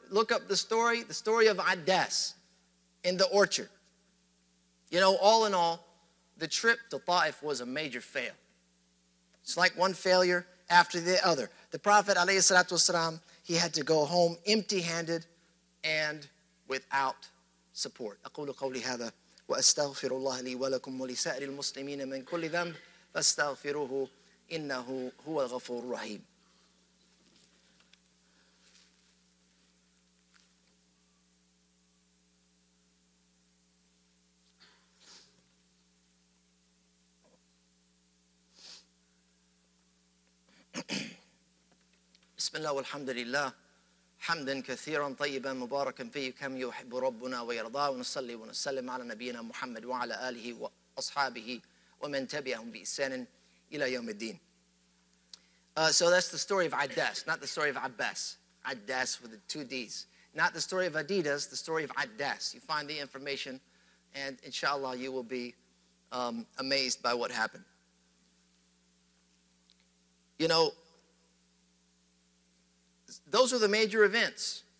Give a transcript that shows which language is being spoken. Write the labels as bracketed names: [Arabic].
[English] Look up the story of Ades in the orchard. You know, all in all, the trip to Taif was a major fail. It's like one failure after the other. The Prophet, alayhi salatu wasalam, he had to go home empty-handed and without support. [Arabic] أقول قولي هذا وأستغفر الله لي ولكم ولسائر المسلمين من كل ذنب فاستغفروه إنه هو الغفور الرحيم. بسم الله والحمد لله حمدا كثيرا طيبا مباركا فيه كم يحب ربنا ويرضاه ونصلي ونسلم على نبينا محمد وعلى آله وأصحابه ومن تبعهم بإحسان إلى يوم الدين. [English] So that's the story of Ades, not the story of Abbas. Ades with the two D's. Not the story of Adidas, the story of Ades. You find the information and inshallah you will be amazed by what happened. You know, those are the major events.